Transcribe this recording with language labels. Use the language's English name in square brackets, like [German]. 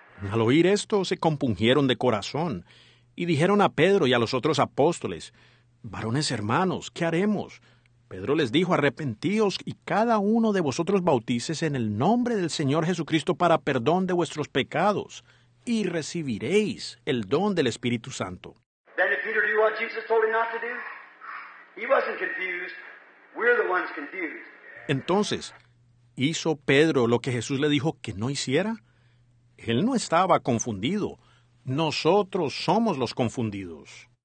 [Spanish] Al oír esto, se compungieron de corazón y dijeron a Pedro y a los otros apóstoles, varones hermanos, ¿qué haremos? Pedro les dijo, arrepentíos y cada uno de vosotros bautices en el nombre del Señor Jesucristo para perdón de vuestros pecados, y recibiréis el don del Espíritu Santo. [English] Then did Peter do what Jesus told him not to do? He wasn't confused. We're the ones confused. [Spanish] Entonces, ¿hizo Pedro lo que Jesús le dijo que no hiciera? Él no estaba confundido. Nosotros somos los confundidos.